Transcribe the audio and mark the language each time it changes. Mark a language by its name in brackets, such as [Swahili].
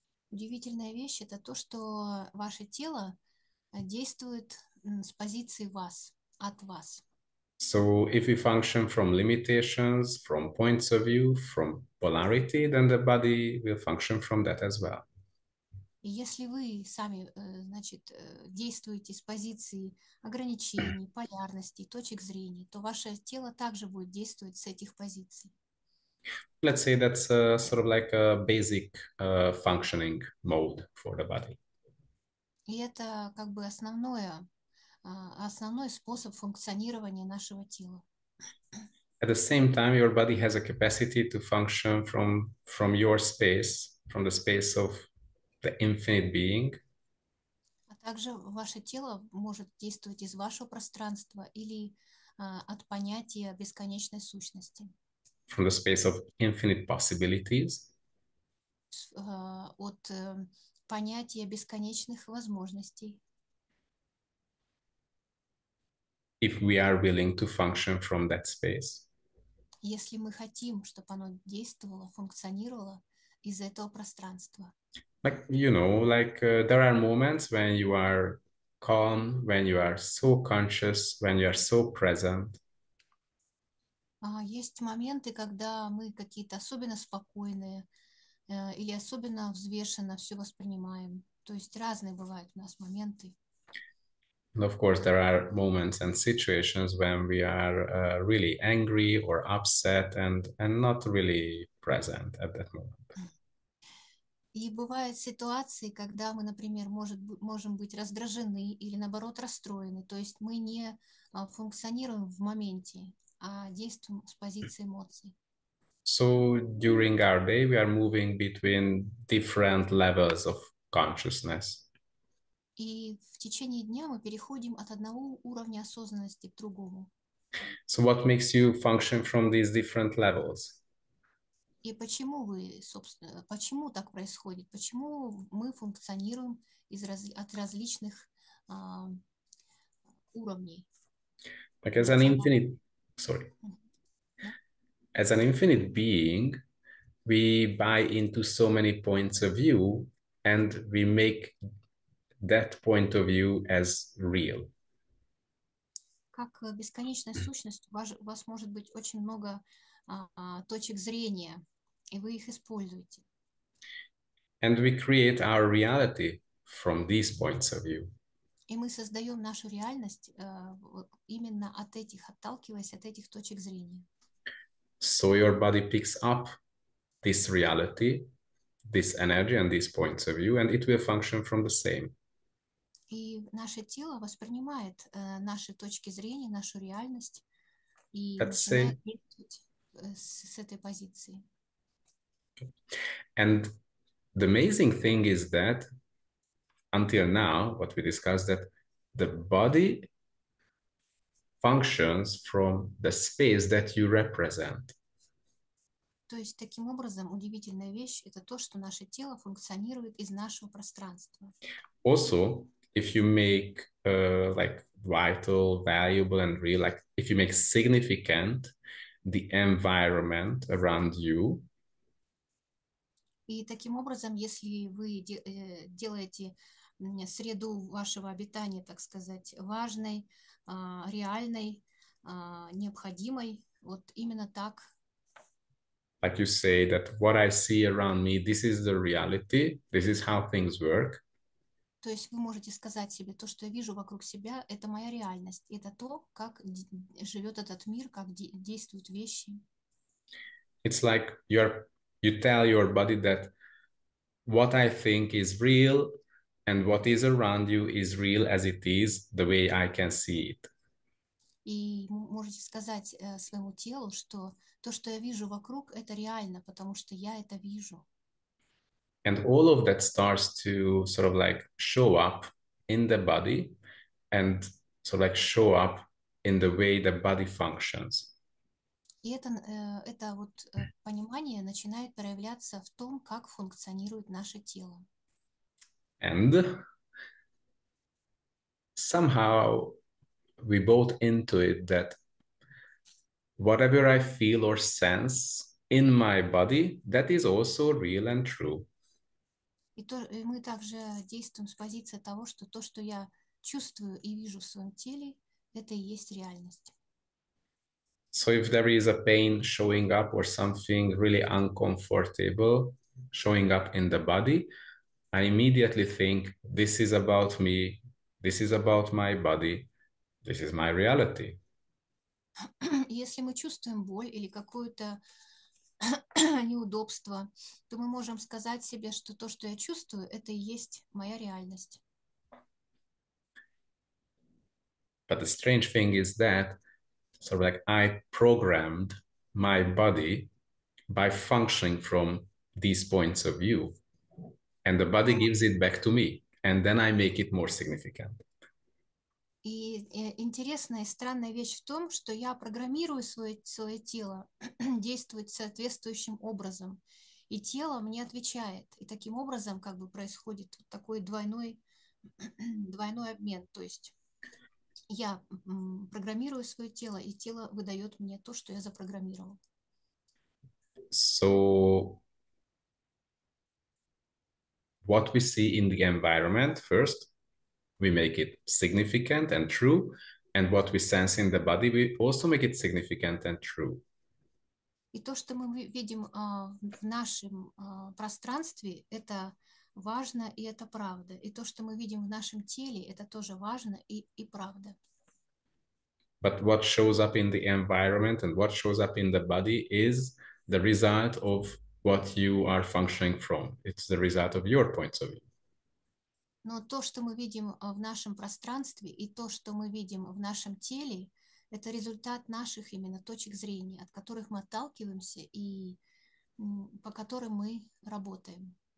[Russian] Удивительная вещь это то, что ваше тело действует с позиции вас, от вас. [English] So if we function from limitations, from points of view, from polarity, then the body will function from that as well. [Russian] И если вы сами, значит, действуете с позиции ограничений, полярности, точек зрения, то ваше тело также будет действовать с этих позиций. [English] Let's say that's a, sort of like a basic functioning mode for the body. [Russian] И это как бы основной способ функционирования нашего тела. [English] At the same time, your body has a capacity to function from your space, from the space of the infinite being. [Russian] А также ваше тело может действовать из вашего пространства или от понятия бесконечной сущности. [English] From the space of infinite possibilities. [Russian] От понятия бесконечных возможностей. [English] if we are willing to function from that space. [Russian] Если мы хотим, чтобы оно действовало, функционировало из этого пространства. [English] Like, you know, like there are moments when you are calm, when you are so conscious, when you are so present. [Russian] Есть моменты, когда мы какие-то особенно спокойные или особенно взвешенно все воспринимаем. То есть разные бывают у нас моменты. [English] And of course, there are moments and situations when we are really angry or upset and not really present at that moment. [Russian] И бывают ситуации, когда мы, например, можем быть раздражены или наоборот расстроены. То есть мы не функционируем в моменте, а действуем с позиции эмоций. [English] So during our day, we are moving between different levels of consciousness. [Russian] И в течение дня мы переходим от одного уровня осознанности к другому. [English] So what makes you function from these different levels? [Russian] И почему вы, собственно, почему так происходит? Почему мы функционируем от различных уровней? [English] Like as an infinite, sorry. As an infinite being, we buy into so many points of view and we make that point of view as real. [Russian] Как бесконечная сущность, у вас может быть очень много точек зрения, и вы их используете. [English] And we create our reality from these points of view. [Russian] И мы создаем нашу реальность именно от этих, отталкиваясь от этих точек зрения. [English] So your body picks up this reality, this energy and these points of view, and it will function from the same. [Russian] И наше тело воспринимает наши точки зрения, нашу реальность и [English] Let's [Russian] начинает [English] say. [Russian] действовать с этой позиции. [English] And the amazing thing is that until now, what we discussed, that the body functions from the space that you represent. [Russian] То есть, таким образом, удивительная вещь – это то, что наше тело функционирует из нашего пространства. [English] Also, if you make like vital, valuable, and real, like if you make significant the environment around you. [Russian] И таким образом, если вы делаете среду вашего обитания, так сказать, важной, реальной, необходимой, вот именно так. [English] Like you say that what I see around me, this is the reality, this is how things work. [Russian] То есть вы можете сказать себе, то, что я вижу вокруг себя, это моя реальность, это то, как живет этот мир, как действуют вещи. [English] It's like you tell your body that what I think is real and what is around you is real as it is, the way I can see it. [Russian] И можете сказать своему телу, что то, что я вижу вокруг, это реально, потому что я это вижу. [English] And all of that starts to sort of like show up in the body and sort of like show up in the way the body functions. [Russian] И это вот понимание начинает проявляться в том, как функционирует наше тело. [English] And somehow we bought into it that whatever I feel or sense in my body, that is also real and true. [Russian] И мы также действуем с позиции того, что то, что я чувствую и вижу в своем теле, это и есть реальность. [English] So if there is a pain showing up or something really uncomfortable showing up in the body, I immediately think this is about me, this is about my body, this is my reality. [Russian] Если мы чувствуем боль или какую-то неудобство, то мы можем сказать себе, что то, что я чувствую, это и есть моя реальность. [English] But the strange thing is that sort of like I programmed my body by functioning from these points of view, and the body gives it back to me, and then I make it more significant. [Russian] И интересная и странная вещь в том, что я программирую свое тело действовать соответствующим образом, и тело мне отвечает. И таким образом как бы происходит вот такой двойной обмен. То есть Я программирую свое тело, и тело выдает мне то, что я запрограммировал. [English] So, what we see in the environment first, we make it significant and true, and what we sense in the body, we also make it significant and true. [Russian] И то, что мы видим в нашем пространстве, это важно и это правда. И то, что мы видим в нашем теле, это тоже важно и правда. [English] But what shows up in the environment and what shows up in the body is the result of what you are functioning from. It's the result of your points of view. [Russian] Но то, что мы видим в нашем пространстве и то, что мы видим в нашем теле, это результат наших именно точек зрения, от которых мы отталкиваемся и по которым мы работаем.